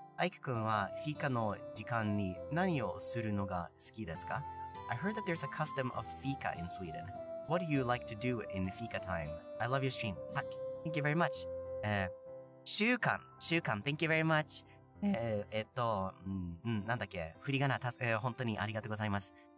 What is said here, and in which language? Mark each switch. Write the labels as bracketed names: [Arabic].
[Japanese] アイク君はフィカの時間に何をするのが好きですか? [English] I heard that there's a custom of Fika in Sweden. What do you like to do in Fika time? I love your stream. Thank you very much. 習慣 Thank you very much. [Japanese] なんだっけ、振り仮名、本当にありがとうございます。